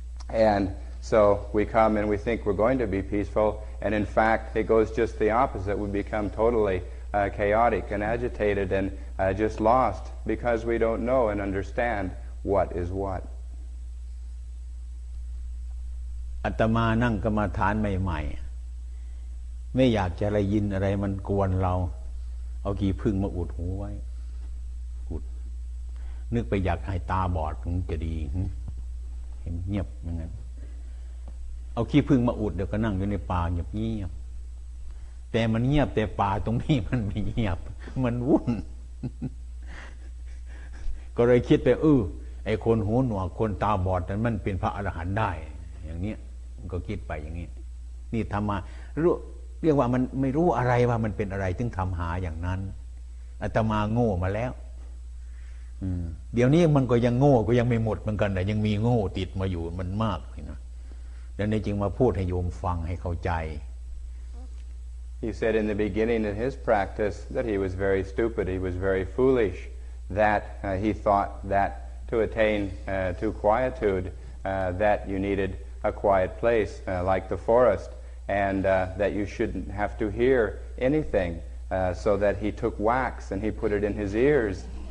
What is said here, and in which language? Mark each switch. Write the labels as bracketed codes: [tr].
[en] And so we come and we think we're going to be peaceful. And in fact, it goes just the opposite. We become totally chaotic and agitated and just lost because we don't know and understand what is what. [th] อาตมานั่งกรรมฐานใหม่ๆไม่อยากจะอะไรยินอะไรมันกวนเราเอากี่พึ่งมาอุดหูไว้อุดนึกไปอยากให้ตาบอดมันจะดีเห็นเงียบอย่างนั้นเอาขี้ผึ้งมาอุดเดี๋ยวก็นั่งอยู่ในป่าเงียบๆแต่มันเงียบแต่ป่าตรงนี้มันไม่เงียบมันวุ่น ก็เลยคิดไปเออไอ้คนหูหนวกคนตาบอดนั้นมันเป็นพระอรหันต์ได้อย่างเนี้ยก็คิดไปอย่างงี้นี่ทํามาเรียกว่ามันไม่รู้อะไรว่ามันเป็นอะไรถึงทําหาอย่างนั้นอาตมาโง่มาแล้วเดี๋ยวนี้มันก็ยังโง่ก็ยังไม่หมดเหมือนกันน่ะยังมีโง่ติดมาอยู่มันมากและในจริงมาพูดให้โยมฟังให้เข้าใจ [en] He said in the beginning in his practice that he was very stupid, he was very foolish, that he thought that to attain to quietude that you needed a quiet place like the forest and that you shouldn't have to hear anything so that he took wax and he put it in his ears